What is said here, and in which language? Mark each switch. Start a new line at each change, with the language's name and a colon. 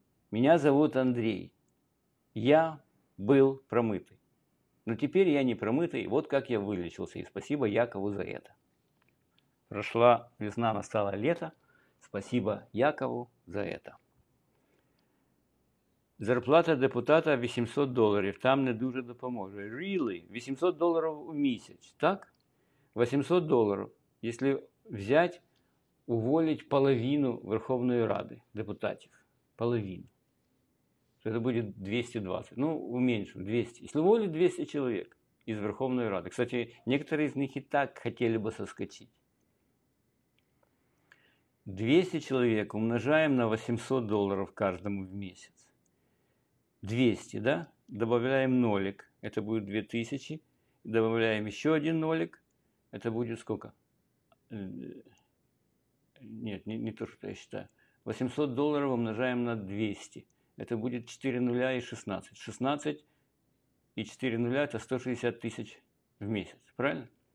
Russian: Меня зовут Андрей. Я был промытый. Но теперь я не промытый. Вот как я вылечился. И спасибо Якову за это. Прошла весна, настало лето. Спасибо Якову за это.
Ukrainian: Зарплата депутата 800 доларів. Там не дуже допоможе.
English: Really?
Ukrainian: 800 доларів у місяць, так? 800 доларів, якщо взяти, уволити половину Верховної Ради депутатів. Половину. Це буде 220. Ну, у меншу, 200. Якщо уволити 200 чоловік із Верховної Ради.
Russian: Кстати,
Ukrainian: некоторі з них і так хотіли би соскочити. 200 чоловік умножаємо на 800 доларів кожному в місяць.
Russian: 200, да? Добавляем нолик, это будет 2000. Добавляем еще один нолик, это будет сколько? Нет, не то, что я считаю. 800 долларов умножаем на 200. Это будет 4 нуля и 16. 16 и 4 нуля – это 160 тысяч в месяц, правильно?